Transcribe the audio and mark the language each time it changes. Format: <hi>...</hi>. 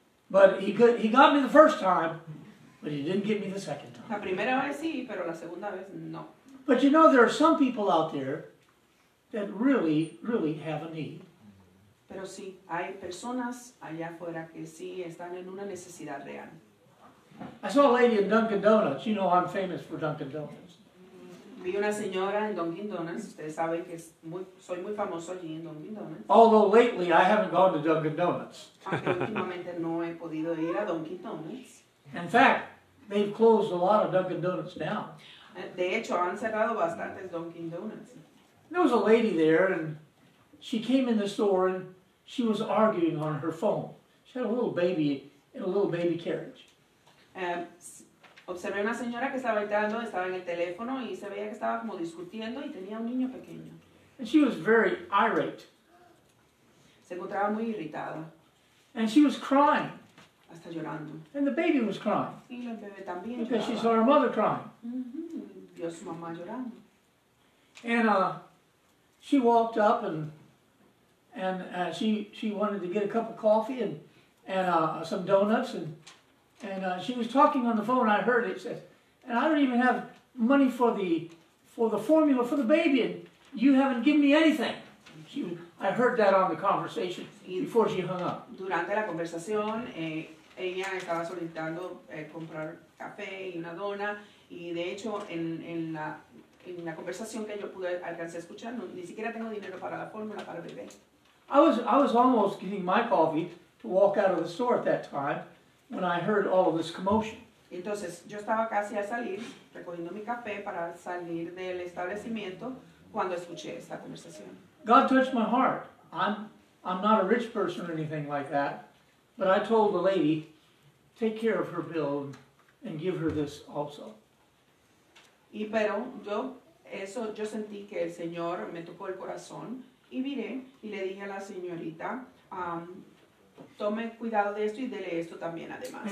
<en>But he got me the first time, but he didn't get me the second time.</en> <es>La primera vez sí, pero la segunda vez no.</es> <en>But you know, there are some people out there that really, really have a need.</en> <es>Pero sí, hay personas allá afuera que sí están en una necesidad real.</es> <en>I saw a lady in Dunkin' Donuts. You know, I'm famous for Dunkin' Donuts.</en> <es>Vi una señora en Dunkin' Donuts. Ustedes saben que soy muy famoso allí en Dunkin' Donuts.</es> <en>Although lately I haven't gone to Dunkin' Donuts.</en> <es>Últimamente no he podido ir a Dunkin' Donuts.</es> <en>In fact, they've closed a lot of Dunkin' Donuts down.</en> <es>De hecho, han cerrado bastantes Dunkin' Donuts.</es> <en>There was a lady there, and she came in the store, and she was arguing on her phone. She had a little baby in a little baby carriage.</en> <es>Observé una señora que estaba entrando, estaba en el teléfono y se veía que estaba como discutiendo y tenía un niño pequeño.</es> <en>And she was very irate.</en> <es>Se encontraba muy irritada.</es> <en>And she was crying.</en> <es>Hasta llorando.</es> <en>And the baby was crying.</en> <es>Y el bebé también</es> <en>because Because she saw her mother crying.</en> <es>Mm-hmm. Vio su mamá llorando.</es> <en>And she walked up and she wanted to get a cup of coffee and some donuts and. And she was talking on the phone, I heard it, says, and I don't even have money for the formula for the baby, and you haven't given me anything. I heard that on the conversation before she hung up.</en> <es>Durante la conversación, ella estaba solicitando comprar café y una dona, y de hecho, en la conversación que yo pude alcanzar a escuchar, no, ni siquiera tengo dinero para la fórmula para el bebé.</es> <en>I was almost getting my coffee to walk out of the store at that time, when I heard all of this commotion.</en> <es>Entonces, yo estaba casi a salir, recogiendo mi café para salir del establecimiento, cuando escuché esta conversación.</es> <en>God touched my heart. I'm not a rich person or anything like that, but I told the lady, take care of her bill and give her this also.</en> <es>Y pero, yo sentí que el Señor me tocó el corazón, y miré, y le dije a la señorita, tome cuidado de esto y dele esto también además.</es>